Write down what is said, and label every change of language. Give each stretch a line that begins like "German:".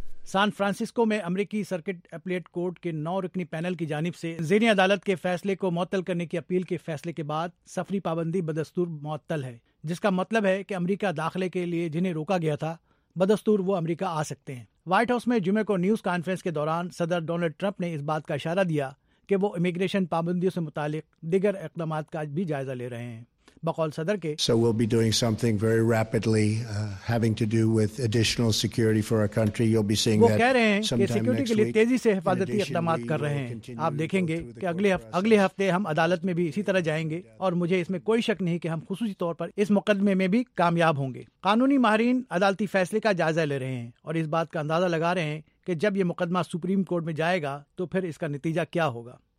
Urdu: San Francisco میں امریکی circuit appellate court کے 9 رکنی پینل کی جانب سے زیر عدالت کے فیصلے کو معطل کرنے کی اپیل کے فیصلے کے بعد سفری پابندی بدستور معطل ہے, جس کا مطلب ہے کہ امریکہ داخلے کے لیے جنہیں روکا گیا تھا بدستور وہ امریکہ آ سکتے ہیں. وائٹ ہاؤس میں جمعے کو نیوز کانفرنس کے دوران صدر ڈونلڈ ٹرمپ نے اس بات کا اشارہ دیا کہ وہ امیگریشن پابندیوں سے متعلق دیگر اقدامات کا بھی جائزہ لے رہے ہیں. بقول صدر کے,
English: So we'll be doing something very rapidly having to do with additional security for our country. You'll be seeing that.
Urdu: وہ کہہ رہے ہیں کہ سیکیورٹی کے لیے تیزی سے حفاظتی اقدامات کر رہے ہیں. آپ دیکھیں گے کہ اگلے ہفتے ہم عدالت میں بھی اسی طرح جائیں گے, اور مجھے اس میں کوئی شک نہیں کہ ہم خصوصی طور پر اس مقدمے میں بھی کامیاب ہوں گے. قانونی ماہرین عدالتی فیصلے کا جائزہ لے رہے ہیں اور اس بات کا اندازہ لگا رہے ہیں کہ جب یہ مقدمہ سپریم کورٹ میں جائے گا تو پھر اس کا نتیجہ کیا ہوگا.